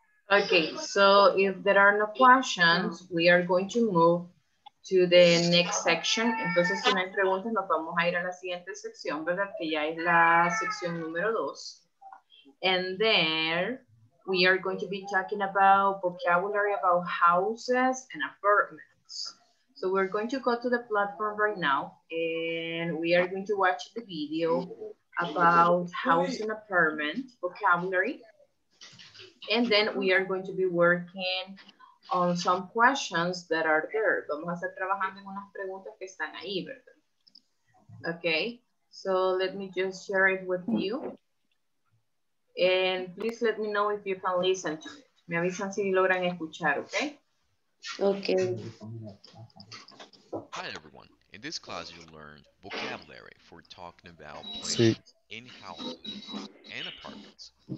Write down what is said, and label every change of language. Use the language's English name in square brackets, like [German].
[English] Okay, so if there are no questions, we are going to move to the next section. [Spanish] Entonces, si no hay preguntas, nos vamos a ir a la siguiente sección, ¿verdad? Que ya es la sección número 2. [English] And there, we are going to be talking about vocabulary, about houses and apartments. So we're going to go to the platform right now, and we are going to watch the video about house and apartment vocabulary. And then we are going to be working on some questions that are there. [Spanish] Vamos a estar trabajando en unas preguntas que están ahí, ¿verdad? [English] Okay, so let me just share it with you. And please let me know if you can listen to it. [Spanish] Me avisan si logran escuchar, okay? Okay. [English] Hi everyone. In this class you learned vocabulary for talking about places in houses and apartments.